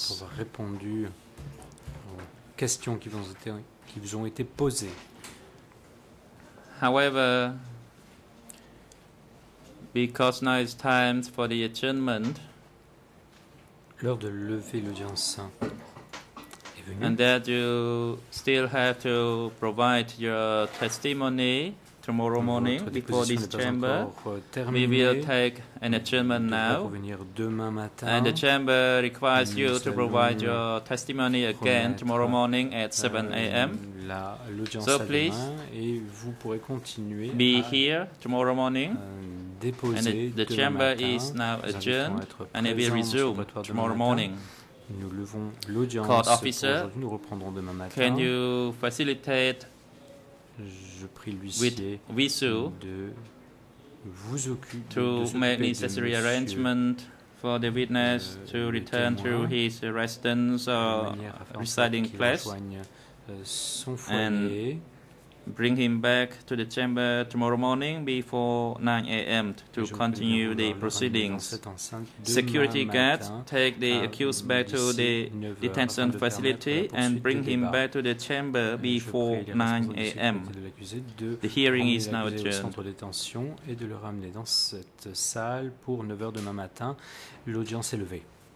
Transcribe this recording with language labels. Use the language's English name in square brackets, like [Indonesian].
[French] Pour avoir répondu aux questions qui vous ont été posées. [English] However, because now it's time for the adjournment. [French] L'heure de lever l'audience. [English] And that you still have to provide your testimony tomorrow morning before this chamber. We will take an adjournment now. And the chamber requires you to provide your testimony again tomorrow morning at 7 a.m. So please be here tomorrow morning. And the chamber is now adjourned and it will resume tomorrow morning. [French] Nous levons l'audience pour aujourd'hui, nous reprendrons demain matin. [English] Can you facilitate [French] je prie l'huissier de vous occuper [English] to make necessary arrangement for the witness to return to his residence or residing place [French] son foyer [English] and bring him back to the chamber tomorrow morning before 9 a.m. to continue the proceedings. Security guards take the accused back to the detention facility and bring him back to the chamber before 9 a.m. The hearing is now adjourned. [French] Et de le ramener dans cette salle pour 9 h demain matin. L'audience est levée.